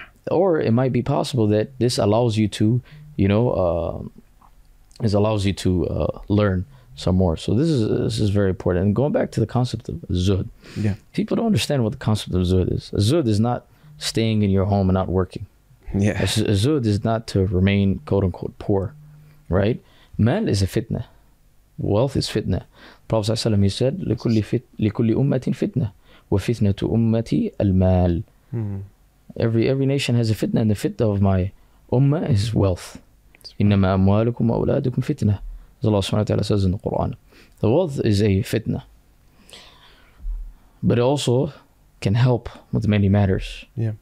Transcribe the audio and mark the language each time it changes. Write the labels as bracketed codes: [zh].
[en] Or it might be possible that this allows you to, you know, this allows you to learn some more. So this is very important. And going back to the concept of zuhd, yeah, people don't understand what the concept of zuhd is. Zuhd is not staying in your home and not working. Yeah. Zuhd is not to remain, quote unquote, poor, right? Mal is a fitna. Wealth is fitna. Prophet ﷺ, he said, [ar] لِكُلِّ أُمَّةٍ فِتْنَةٍ وَفِتْنَةُ أُمَّةِ الْمَالِ. [en] Every nation has a fitna, and the fitna of my ummah is wealth. [ar] إِنَّمَا أَمْوَالُكُمْ وَأَوْلَادُكُمْ فِتْنَةٍ, [en] as Allah subhanahu wa ta'ala says in the Quran. The wealth is a fitna. But it also can help with many matters. Yeah.